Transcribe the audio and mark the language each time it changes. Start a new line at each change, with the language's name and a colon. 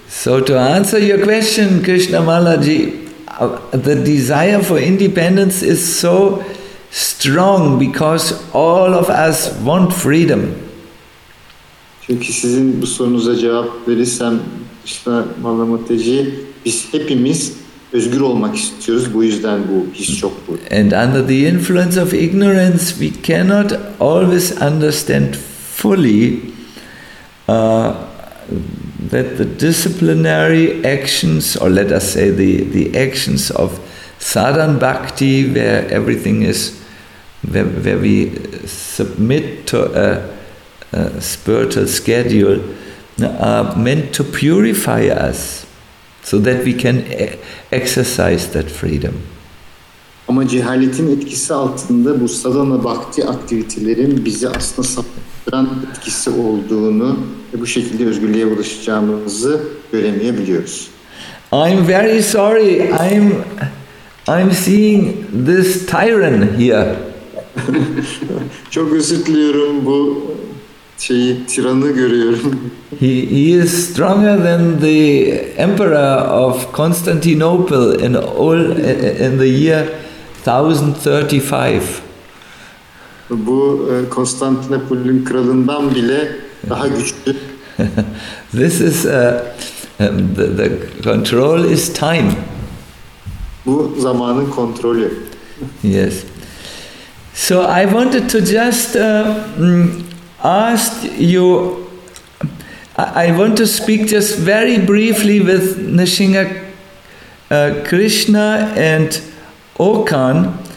English: So to answer your question, Krishna Mallaji, the desire for independence is so strong because all of us want freedom.
Turkish: Çünkü sizin bu sorunuza cevap verirsem, Krishna Mallaji, biz hepimiz özgür olmak istiyoruz. Bu yüzden bu his çok bu.
English: And under the influence of ignorance, we cannot always understand fully that the disciplinary actions, or let us say the actions of sadhan bhakti, where everything is, where we submit to a spiritual schedule, are meant to purify us. So that we can exercise that freedom.
Turkish: Ama cehaletin etkisi altında bu sadhana bhakti aktivitelerin bizi aslında saptıran etkisi olduğunu ve bu şekilde özgürlüğe ulaşacağımızı göremeyebiliyoruz.
English: I'm very sorry. I'm seeing this tyrant here.
Turkish: Çok özür diliyorum, bu tiranı görüyorum.
English: He is stronger than the emperor of Constantinople in the year 1035.
Turkish: Bu Konstantinopolis'in kralından bile daha güçlü.
English: This is the control is time.
Turkish: Bu zamanın kontrolü.
English: Yes. So I wanted to just ask you, I want to speak just very briefly with Nrisimha Krishna and Okan.